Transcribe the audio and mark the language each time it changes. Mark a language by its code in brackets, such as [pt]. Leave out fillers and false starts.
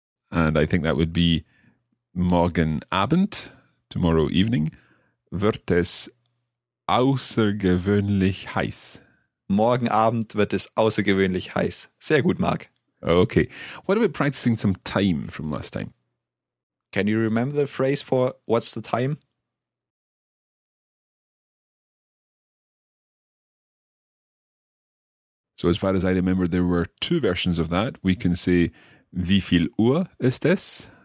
[en] And I think that would be morgen Abend, tomorrow evening, wird es außergewöhnlich heiß. [de] Morgen Abend wird es außergewöhnlich heiß. Sehr gut, Marc. [en] Okay. What about practicing some time from last time? Can you remember the phrase for what's the time? So as far as I remember, there were two versions of that. [de] We can say, wie viel Uhr ist es?